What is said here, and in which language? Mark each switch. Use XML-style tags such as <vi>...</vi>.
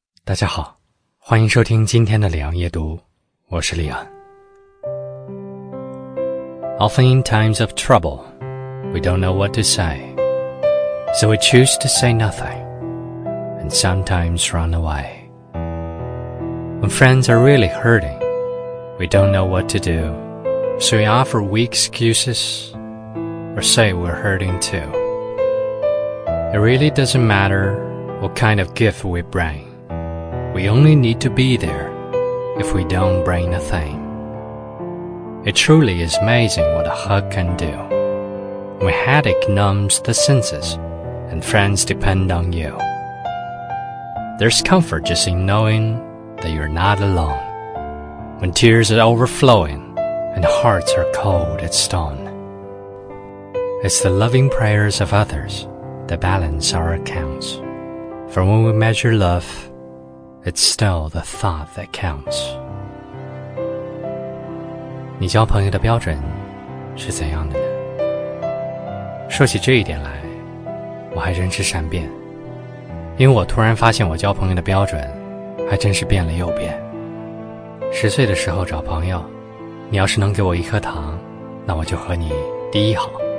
<zh>大家好，欢迎收听今天的李昂夜读，我是李昂。</zh> <en>Often in times of trouble, we don't know what to say, so we choose to say nothing, and sometimes run away. When friends are really hurting, we don't know what to do, so we offer weak excuses, or say we're hurting too. It really doesn't matter what kind of gift we bring. We only need to be there if we don't bring a thing. It truly is amazing what a hug can do. When headache numbs the senses and friends depend on you. There's comfort just in knowing that you're not alone. When tears are overflowing and hearts are cold as stone. It's the loving prayers of others that balance our accounts. For when we measure love,It's still the thought that counts.</en> <zh>你交朋友的标准是怎样的呢？说起这一点来，我还真是善变，因为我突然发现我交朋友的标准还真是变了又变。十岁的时候找朋友，你要是能给我一颗糖，那我就和你第一好。</zh>